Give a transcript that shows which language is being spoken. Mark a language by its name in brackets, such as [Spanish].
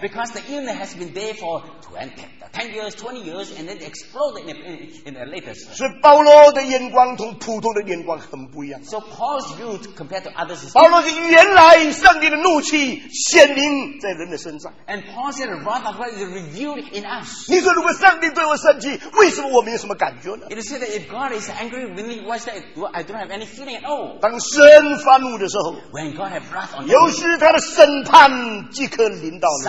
[English] because the illness has been there for 10 years 20 years and then exploded in the latest. [Chinese] 所以保罗的眼光同普通的眼光很不一样, [English] so Paul's view compared to others, [Chinese] 保罗是原来上帝的怒气显明在人的身上, [English] and Paul said rather what is revealed in us. [Chinese] 你说如果上帝对我生气, 为什么我没有什么感觉呢? [English] It is said that if God is angry with me, why is that? I don't have any feeling at all. [Chinese] 当神发怒的时候, [English] when God has wrath on you, [Chinese] 有时他的审判即刻临到你,